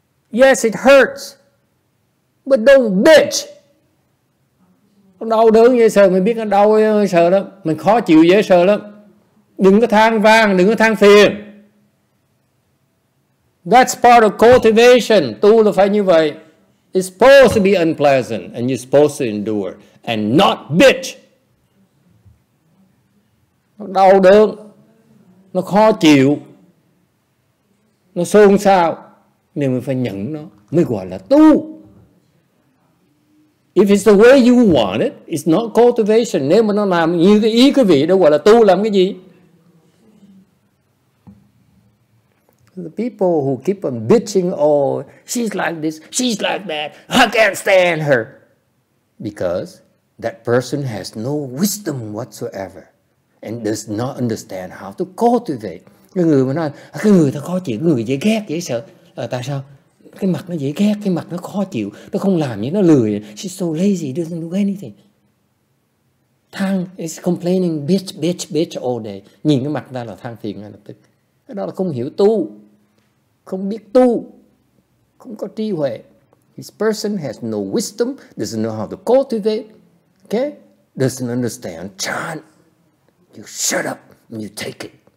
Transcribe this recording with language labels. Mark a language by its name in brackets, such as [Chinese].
[English] Yes, it hurts. But don't bitch. [Vietnamese] Nó đau đớn dễ sợ, mình biết nó đau dễ sợ lắm. Mình khó chịu dễ sợ lắm. Đừng có than vang, đừng có than phiền. [English] That's part of cultivation. [Vietnamese] Tu là phải như vậy. [English] It's supposed to be unpleasant and you're supposed to endure and not bitch. [Vietnamese] Nó đau đớn, nó khó chịu, nó xôn xao. Nên mình phải nhận nó mới gọi là tu. [English] If it's the way you want it, it's not cultivation. [Vietnamese] Nếu mà nó làm như cái ý quý vị, đó gọi là tu làm cái gì? [English] The people who keep on bitching, oh, she's like this, she's like that, I can't stand her. Because that person has no wisdom whatsoever and does not understand how to cultivate. [Vietnamese] Cái người mà nói, cái người ta khó chịu, người dễ ghét, dễ sợ. À, tại sao? Cái mặt nó dễ ghét, cái mặt nó khó chịu, nó không làm gì, nó lười. [English] She's so lazy, doesn't do anything. Thang is complaining, bitch, bitch, bitch all day. [Vietnamese] Nhìn cái mặt ra là thang phiền ngay lập tức. Cái đó là không hiểu tu, không biết tu, không có trí huệ. [English] This person has no wisdom, doesn't know how to cultivate, okay? Doesn't understand. Chan, you shut up and you take it.